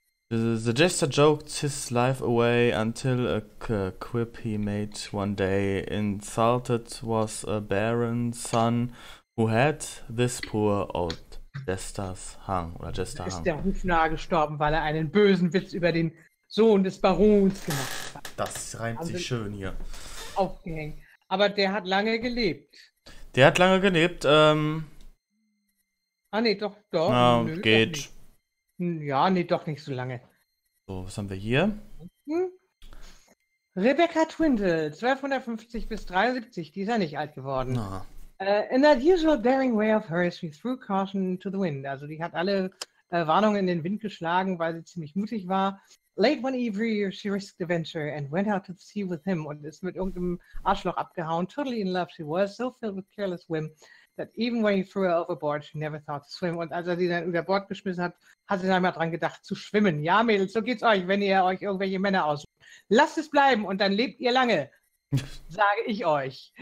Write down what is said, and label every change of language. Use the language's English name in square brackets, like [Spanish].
[English] The jester joked his life away until a quip he made one day insulted was a barren son who had this poor old jester's hung. [German] Oder [English] jester hung. [German] Ist der Hufnarr gestorben, weil er einen bösen Witz über den Sohn des Barons gemacht hat. Das reimt sich schön hier. Aufgehängt. Aber der hat lange gelebt. Der hat lange gelebt, Ah nee, doch. Na, nö, geht. Ja, nee, doch nicht so lange. So, was haben wir hier? Rebecca Twindle, 1250 bis 73, die ist ja nicht alt geworden. [English] In that usual daring way of hers, we threw caution to the wind. [German] Also die hat alle Warnungen in den Wind geschlagen, weil sie ziemlich mutig war. [English] Late one evening, she risked a venture and went out to the sea with him [German] und ist mit irgendeinem Arschloch abgehauen. [English] Totally in love she was, so filled with careless whim. That even when he threw her overboard, she never thought to swim. [German] Und als er sie dann über Bord geschmissen hat, hat sie dann mal dran gedacht, zu schwimmen. Ja, Mädels, so geht's euch, wenn ihr euch irgendwelche Männer aussucht. Lasst es bleiben und dann lebt ihr lange, sage ich euch.